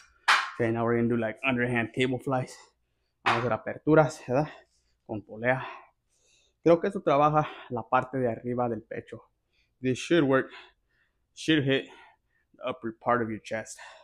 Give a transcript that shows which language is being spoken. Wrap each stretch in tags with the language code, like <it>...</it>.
<en>Okay, now we're gonna do like underhand cable flies.</en> <es>Vamos a hacer aperturas, ¿verdad? Con polea. Creo que eso trabaja la parte de arriba del pecho.</es> <en>This should work. Should hit the upper part of your chest.</en>